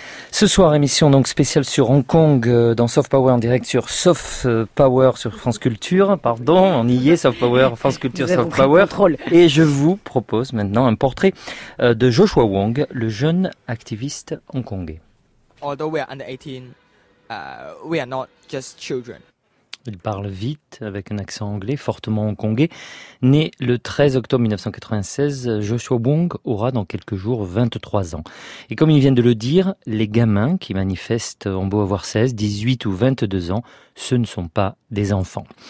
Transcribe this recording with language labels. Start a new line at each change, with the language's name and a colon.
French: Ce soir, émission donc spéciale sur Hong Kong, dans Soft Power, en direct sur Soft Power sur France Culture. Pardon, on y est, Soft Power, France Culture, Soft Power. Contrôle. Et je vous propose maintenant un portrait de Joshua Wong, le jeune activiste hongkongais.
English: Although we are under 18, we are not just children.
French: Il parle vite, avec un accent anglais, fortement hongkongais. Né le 13 octobre 1996, Joshua Wong aura dans quelques jours 23 ans. Et comme il vient de le dire, les gamins qui manifestent ont beau avoir 16, 18 ou 22 ans, ce ne sont pas des enfants.